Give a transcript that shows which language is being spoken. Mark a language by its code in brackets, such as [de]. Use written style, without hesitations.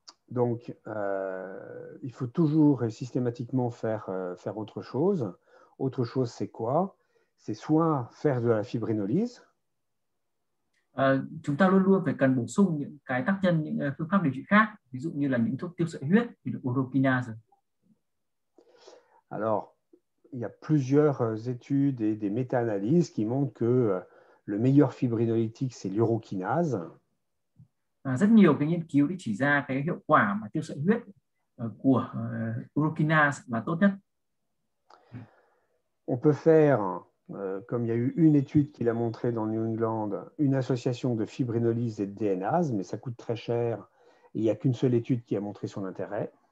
[fr] Donc, il faut toujours et systématiquement faire autre chose. Autre chose, c'est quoi? C'est soit faire de la fibrinolyse. [vi] Chúng ta luôn luôn phải cần bổ sung những cái tác nhân, những phương pháp điều trị khác, ví dụ như là những thuốc tiêu sợi huyết, ví dụ Oropinase. [fr] Alors, il y a plusieurs études et des méta-analyses qui montrent que le meilleur fibrinolytique, c'est l'uroquinase. [vi] Rất nhiều cái nghiên cứu đã chỉ ra cái hiệu quả mà tiêu sợi huyết của Oropinase là tốt nhất. [fr] On peut faire, comme il y a eu une étude qui l'a montré dans New England, une association de fibrinolyse et de DNase, mais ça coûte très cher. Il n'y a qu'une seule étude qui a montré son intérêt.